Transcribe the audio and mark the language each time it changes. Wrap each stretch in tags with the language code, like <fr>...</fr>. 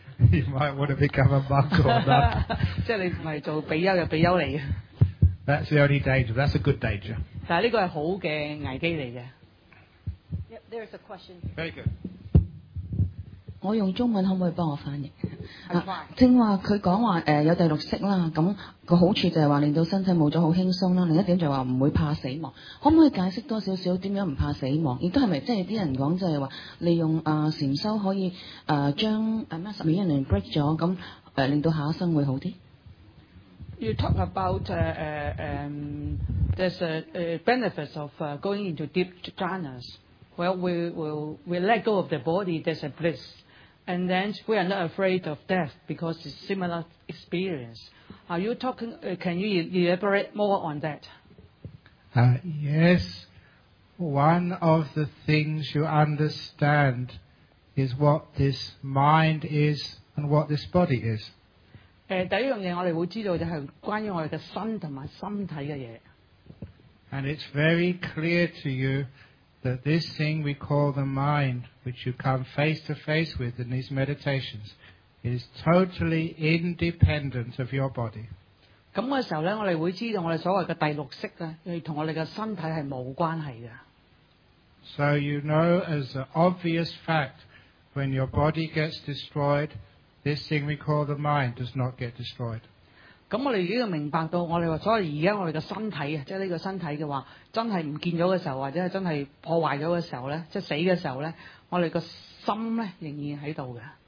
<en>You might want to become a monk or not.</en> <yue>即係你唔係做比丘就比丘嚟。</yue> <en>That's the only danger. That's a good danger.</en> <yue>但係呢個係好嘅危機嚟嘅。</yue> <en>Yep, there's a question. Very good.</en> <yue>我用中文可唔可以幫我翻譯？啊，正話佢講話有第六識啦，咁個好處就係話令到身體冇咗好輕鬆啦。另一點就係話唔會怕死亡，可唔可以解釋多少少點樣唔怕死亡？亦都係咪即係啲人講就係話利用禪修可以將咩十秒人輪 break 咗，咁令到下一生會好啲</yue> <en>？You talk about there's a benefits of going into deep jhanas. Well, we let go of the body. There's a bliss. And then we are not afraid of death because it's similar experience. Are you talking, can you elaborate more on that? Yes. One of the things you understand is what this mind is and what this body is.</en> <yue>第一樣嘢我哋會知道就係關於我哋嘅身同埋身體嘅嘢。</yue> <en>And it's very clear to you. That this thing we call the mind, which you come face to face with in these meditations, is totally independent of your body.</en> <yue>咁嘅時候咧，我哋會知道我哋所謂嘅第六識啊，係同我哋嘅身體係冇關係嘅。</yue> <en>So you know as an obvious fact, when your body gets destroyed, this thing we call the mind does not get destroyed.</en> <yue>咁我哋已經明白到，我哋話，所以而家我哋嘅身體啊，即係呢個身體嘅話，真係唔見咗嘅時候，或者係真係破壞咗嘅時候咧，即係死嘅時候咧，我哋個心咧仍然喺度嘅。</yue>